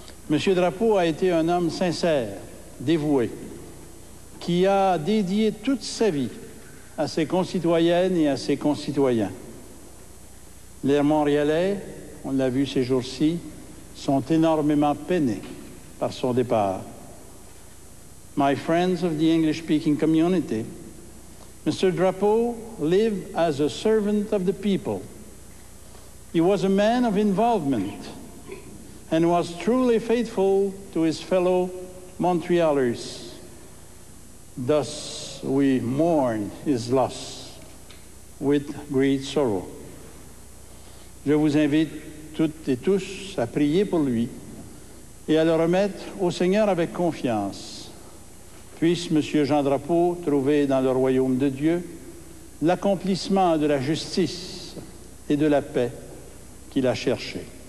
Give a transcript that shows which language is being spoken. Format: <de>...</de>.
<fr>M. Drapeau a été un homme sincère, dévoué, qui a dédié toute sa vie à ses concitoyennes et à ses concitoyens. Les Montréalais, on l'a vu ces jours-ci, sont énormément peinés par son départ.</fr> <en>My friends of the English-speaking community, Mr. Drapeau lived as a servant of the people. He was a man of involvement and was truly faithful to his fellow Montrealers. Thus we mourn his loss with great sorrow.</en> <fr>Je vous invite toutes et tous à prier pour lui et à le remettre au Seigneur avec confiance. Puisse M. Jean Drapeau trouver dans le royaume de Dieu l'accomplissement de la justice et de la paix qu'il a cherché.</fr>